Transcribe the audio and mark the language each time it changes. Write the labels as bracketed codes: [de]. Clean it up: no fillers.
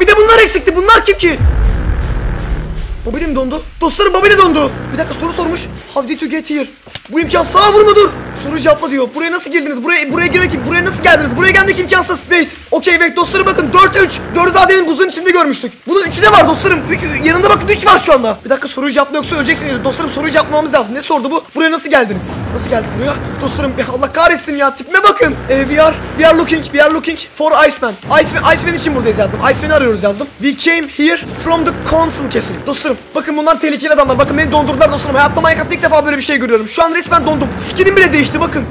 [tr] Bir de bunlar eksikti. Bunlar kim ki? Bobby de mi dondu? Dostlarım Bobby de dondu. Bir dakika, soru sormuş. [en] How did you get here? [tr] Bu imkansız. Sağa vurma dur. Soru cevapla diyor. Buraya nasıl girdiniz? Buraya girmek için. Buraya nasıl geldiniz? Buraya geldik imkansız. [en] Wait. Okay wait. [tr] Dostlarım bakın. [en] 4-3. [tr] 4'ü daha demin buzun içinde görmüştük. Bunun 3'ü de var dostlarım. 3 yanında bakın, 3 var şu anda. Bir dakika, soru cevapla yoksa öleceksiniz. Dostlarım soru cevaplamamız lazım. Ne sordu bu? Buraya nasıl geldiniz? Nasıl geldik buraya? Dostlarım ya Allah kahretsin ya. Tipime bakın. [en] We are looking for Iceman. [tr] Iceman için buradayız yazdım. Iceman'ı arıyoruz yazdım. [en] We came here from the council kesin. [tr] Dostlarım bakın, bunlar tehlikeli adamlar. Bakın beni dondurdular dostlarım. Hayatımda Minecraft'ta ilk defa böyle bir şey görüyorum. Şu an resmen dondum. Skinim bile değişti bakın.